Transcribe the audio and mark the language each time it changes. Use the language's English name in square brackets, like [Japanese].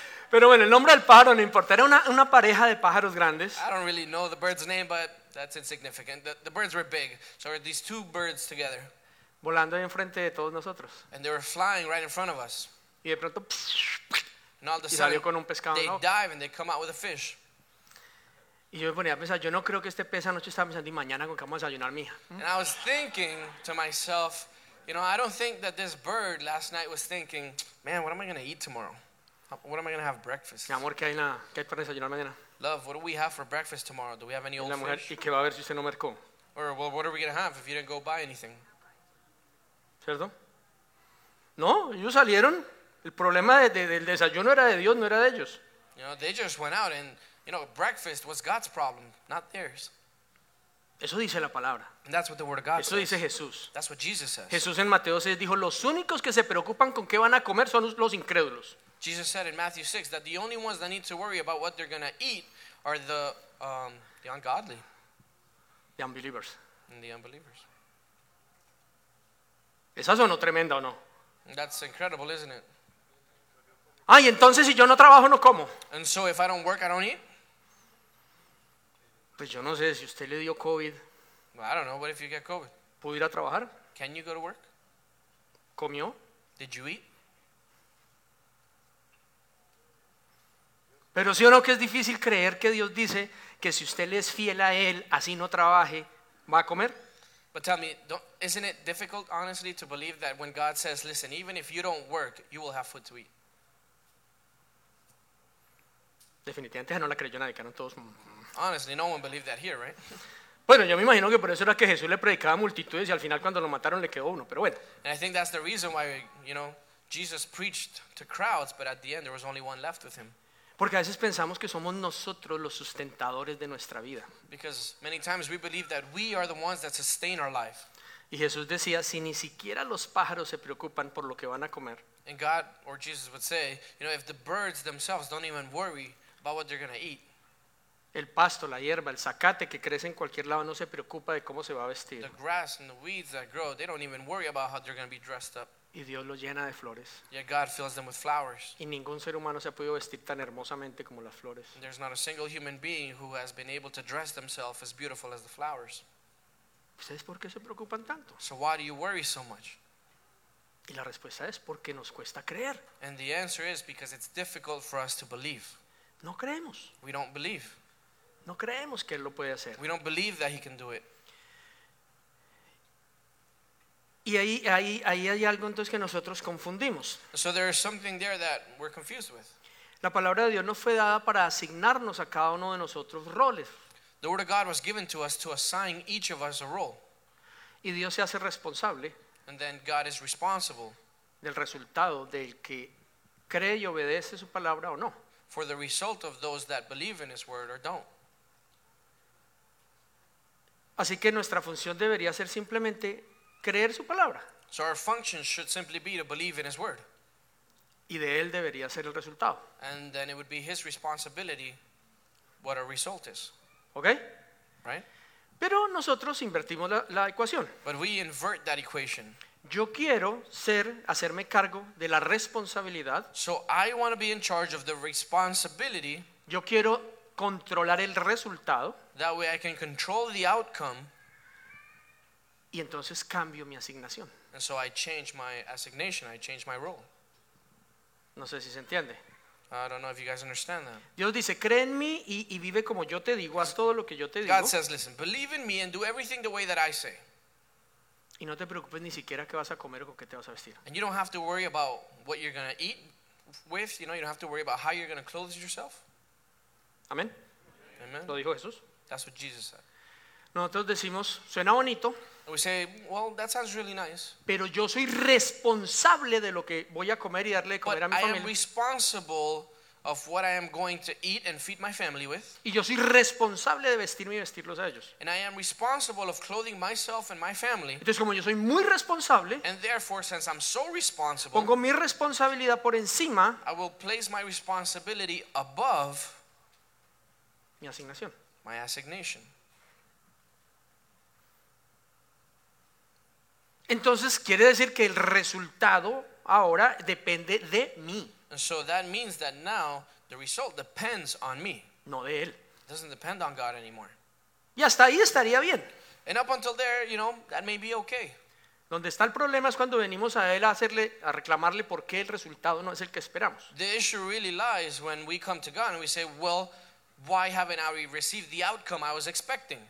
[Spanish] Pero bueno, el nombre del pájaro no importa. Era una pareja de pájaros grandes. [English] I don't really know the bird's name, but that's insignificant. The birds were big, so were these two birds together. [Spanish] Volando ahí enfrente de todos nosotros. [English] And they were flying right in front of us. [Spanish] Y de pronto. [English] And all of a sudden, [Spanish] y salió con un pescado. [English] They dive and they come out with a fish. [Spanish] Y yo me ponía a pensar, yo no creo que este pez anoche estaba pensando, y mañana con qué vamos a desayunar, mija. [English] And I was thinking to myself, you know, I don't think that this bird last night was thinking, man, what am I going to eat tomorrow? What am I going to have breakfast? [Spanish] Mi amor, ¿qué hay para desayunar mañana? [English] Love, what do we have for breakfast tomorrow? Do we have any old [Spanish] mujer, [English] fish? [Spanish] ¿Y qué va a ver si usted no mercó? [English] Or, well, what are we going to have if you didn't go buy anything? [Spanish] ¿Cierto? No, ellos salieron. El problema del desayuno era de Dios, no era de ellos. [English] You know, they just went out and, you know, breakfast was God's problem, not theirs. [Spanish] Eso dice la palabra. [English] And that's what the word of God [Spanish] Eso [English] says. [Spanish] Dice Jesús. [English] That's what Jesus says. [Spanish] Jesús en Mateo 6 dijo, los únicos que se preocupan con qué van a comer son los incrédulos. [English] Jesus said in Matthew 6 that the only ones that need to worry about what they're going to eat are the ungodly. The unbelievers. And the unbelievers. [Spanish] ¿Esa sonó tremenda o no? [English] That's incredible, isn't it? [Spanish] Ay, entonces si yo no trabajo, no como. [English] And so if I don't work, I don't eat? [Spanish] Pues yo no sé, si usted le dio COVID. [English] Well, I don't know, what if you get COVID? [Spanish] ¿Puedo ir a trabajar? [English] Can you go to work? [Spanish] ¿Comió? [English] Did you eat? [Spanish] Pero sí o no que es difícil creer que Dios dice que si usted le es fiel a Él, así no trabaje, va a comer. [English] But tell me, isn't it difficult, honestly, to believe that when God says, listen, even if you don't work, you will have food to eat? [Spanish] Definitivamente no la creyó nadie, quedaron todos. [English] Honestly, no one believed that here, right? [Spanish] Bueno, yo me imagino que por eso era que Jesús le predicaba a multitudes y al final cuando lo mataron le quedó uno, pero bueno. [English] And I think that's the reason why, you know, Jesus preached to crowds, but at the end there was only one left with him. [Spanish] Porque a veces pensamos que somos nosotros los sustentadores de nuestra vida. [English] Because many times we believe that we are the ones that sustain our life. [Spanish] Y Jesús decía, si ni siquiera los pájaros se preocupan por lo que van a comer. [English] And God, or Jesus would say, you know, if the birds themselves don't even worry about what they're going to eat. [Spanish] El pasto, la hierba, el zacate que crece en cualquier lado no se preocupa de cómo se va a vestir. [English] The grass and the weeds that grow, they don't even worry about how they're going to be dressed up. [Spanish] Y Dios los llena de flores. [English] Yet God fills them with flowers. [Spanish] Y ningún ser humano se ha podido vestir tan hermosamente como las flores. [English] There's not a single human being who has been able to dress themselves as beautiful as the flowers. [Spanish] ¿Ustedes por qué se preocupan tanto? [English] So why do you worry so much? [Spanish] Y la respuesta es porque nos cuesta creer. [English] And the answer is because it's difficult for us to believe. [Spanish] No creemos. [English] We don't believe. [Spanish] No creemos que él lo puede hacer. [English] We don't believe that he can do it. [Spanish] Y ahí hay algo entonces que nosotros confundimos. [English] So there is something there that we're confused with. [Spanish] La palabra de Dios no fue dada para asignarnos a cada uno de nosotros roles. [English] The word of God was given to us to assign each of us a role. [Spanish] Y Dios se hace responsable. [English] And then God is responsible. [Spanish] Del resultado del que cree y obedece su palabra o no. [English] For the result of those that believe in his word or don't. [Spanish] Así que nuestra función debería ser simplemente creer su palabra. [English] So our function should simply be to believe in his word. [Spanish] Y de él debería ser el resultado. [English] And then it would be his responsibility what our result is. Okay? Right? [Spanish] Pero nosotros invertimos la ecuación. [English] But we invert that equation. [Spanish] Yo quiero ser, hacerme cargo de la responsabilidad. [English] So I want to be in charge of the responsibility. [Spanish] Yo quiero controlar el resultado. [English] That way I can control the outcome. [Spanish] Y entonces cambio mi asignación. [English] And so I change my assignation, I change my role. [Spanish] No sé si se entiende. [English] I don't know if you guys understand that. [Spanish] Dios dice, cree en mí y vive como yo te digo, haz todo lo que yo te digo. [English] God says, listen, believe in me and do everything the way that I say. [Spanish] Y no te preocupes ni siquiera qué vas a comer o con qué te vas a vestir. [English] And you don't have to worry about what you're going to eat with, you know, you don't have to worry about how you're going to clothe yourself. [Spanish] Amén. [English] Amen. [Spanish] Lo dijo Jesús. [English] That's what Jesus said. [Spanish] Nosotros decimos, suena bonito. [English] And we say, well, that sounds really nice. [Spanish] Pero yo soy responsable de lo que voy a comer y darle de comer [English] but [Spanish] a mi familia. [English] I am responsible of what I am going to eat and feed my family with. [Spanish] Y yo soy responsable de vestirme y vestirlos a ellos. [English] And I am responsible of clothing myself and my family. [Spanish] Entonces, como yo soy muy responsable, [English] and therefore, since I'm so responsible, [Spanish] pongo mi responsabilidad por encima, [English] I will place my responsibility above [Spanish] mi asignación. [English] My assignation. [Spanish] Entonces quiere decir que el resultado ahora depende de mí. [English] And so that means that now the result depends on me. [Spanish] No de él. [English] It doesn't depend on God anymore. [Spanish] Y hasta ahí estaría bien. [English] And up until there, you know, that may be okay. [Spanish] Donde está el problema es cuando venimos a él a reclamarle por qué el resultado no es el que esperamos. [English] The issue really lies when we come to God and we say, well, why haven't I received the outcome I was expecting?